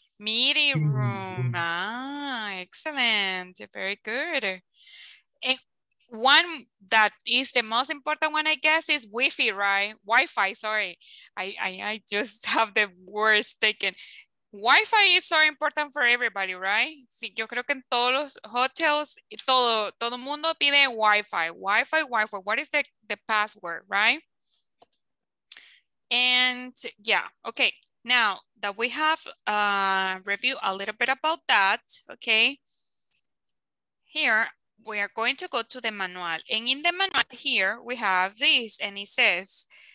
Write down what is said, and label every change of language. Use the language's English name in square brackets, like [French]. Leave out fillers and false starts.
[English] Meeting room, excellent, very good. And one that is the most important one, I guess, is Wi-Fi, right? Wi-Fi, sorry, I just have the words taken. Wi-Fi is so important for everybody, right? [Spanish] Sí, yo creo que en todos los hotels, todo mundo pide Wi-Fi. [English] Wi-Fi, Wi-Fi, what is the password, right? And yeah, okay. Now that we have reviewed a little bit about that, okay. Here, we are going to go to the manual. And in the manual here, we have this, and it says,